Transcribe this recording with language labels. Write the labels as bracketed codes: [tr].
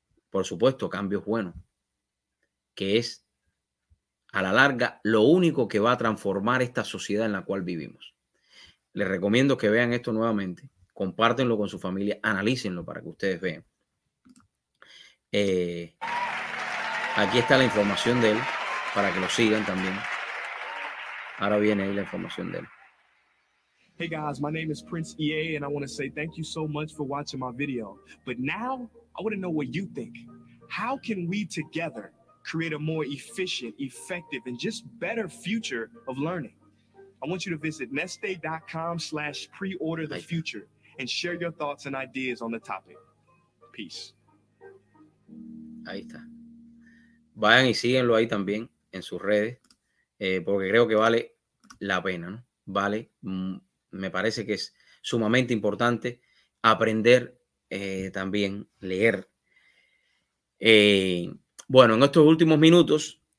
[es] Por supuesto, cambios buenos, que es a la larga, lo único que va a transformar esta sociedad en la cual vivimos. Les recomiendo que vean esto nuevamente. Compártenlo con su familia. Analícenlo para que ustedes vean. Aquí está la información de él para que lo sigan también. Ahora viene ahí la información de él. [en] Hey guys, my name is Prince EA and I want to say thank you so much for watching my video. But now, I want to know what you think. How can we together create a more efficient, effective, and just better future of learning? I want you to visit neste.com/preorderthefuture and share your thoughts and ideas on the topic. Peace. [es] Ahí está. Vayan y síguenlo ahí también en sus redes, porque creo que vale la pena, ¿no? Vale, me parece que es sumamente importante aprender también leer. Bueno, en estos últimos minutos